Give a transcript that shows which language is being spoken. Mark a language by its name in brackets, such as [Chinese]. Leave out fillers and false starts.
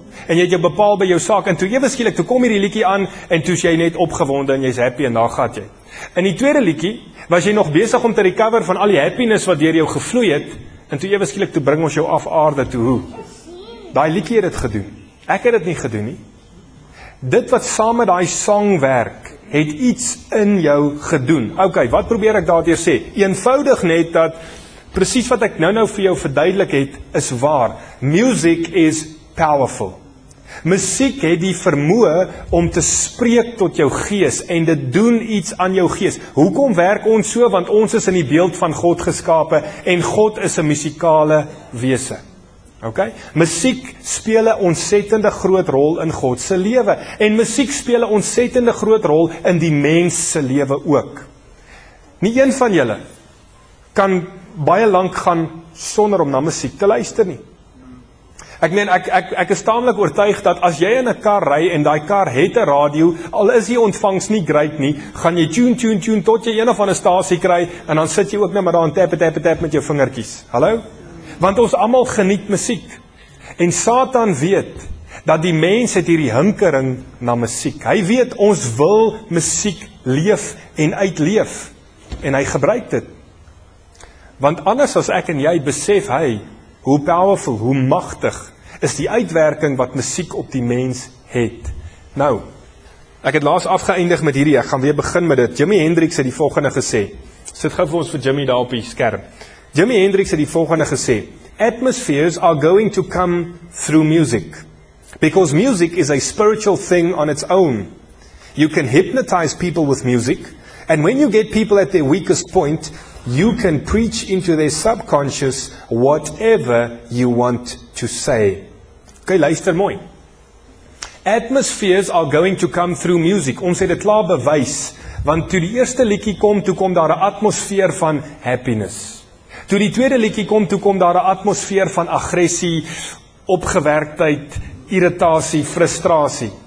[Afrikaans] En jy het jou bepaal by jou saak, en toe ewe skielik, toe kom hierdie liedjie aan, en toe is jy net opgewonde en jy is happy en daar gaat jy. In die tweede liedjie, was jy nog besig om te recover van al die happiness wat deur jou gevloei het, en toe ewe skielik, toe bring ons jou af aarde toe hoe. Daai liedjie het dit gedoen. Ek het dit nie gedoen nie. Dit wat saam met daai sang werk, het iets in jou gedoen. Ok, wat probeer ek daardeur sê? Eenvoudig net dat, precies wat ek nou vir jou verduidelik het, is waar. [English] Music is powerful. [Afrikaans] Musiek het die vermoë om te spreek tot jou gees en dit doen iets aan jou gees. Hoekom werk ons so? Want ons is in die beeld van God geskape en God is 'n musikale wese. Ok, musiek speel 'n ontsettende groot rol in God se lewe en musiek speel 'n ontsettende groot rol in die mens se lewe ook. Nie een van julle kan baie lank gaan sonder om na musiek te luister nie. Ek meen, ek is tamelik oortuig dat as jy in 'n kar ry en daai kar het 'n radio, al is die ontvangs nie great nie, gaan jy tune tune tune tot jy een of ander stasie kry en dan sit jy ook net maar daar en tap tap tap met jou vingertjies. Hallo? Want ons allemaal geniet musiek. En Satan weet, dat die mens het hierdie hinkering na musiek. Hy weet, ons wil musiek leef en uitleef. En hy gebruik dit. Want anders as ek en jy besef hy, hoe powerful, hoe machtig, is die uitwerking wat musiek op die mens het. Nou, ek het laas afgeëindig met hierdie, ek gaan weer begin met dit. Jimi Hendrix het die volgende gesê, sit gauw vir ons vir Jimmy daar op die skerm. [English] Jimi Hendrix [Afrikaans] het die volgende gesê, [English] atmospheres are going to come through music, because music is a spiritual thing on its own. You can hypnotize people with music, and when you get people at their weakest point, you can preach into their subconscious whatever you want to say. Okay, [Afrikaans] luister mooi. [English] Atmospheres are going to come through music. [Afrikaans] Ons het 'n klaar bewys, want toe die eerste liedjie kom, toe kom daar 'n atmosfeer van happiness. Toe die tweede liedjie kom, toe kom daar 'n atmosfeer van agressie, opgewerktheid, irritasie, frustrasie.